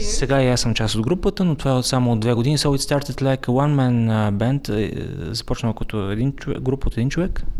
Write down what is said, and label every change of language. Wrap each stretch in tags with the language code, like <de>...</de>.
<bg>Сега и аз съм част от групата, но това е само от 2 години.</bg> <en>So it started like a one man band.</en> <bg>Започнал като един човек, група от един човек?</bg>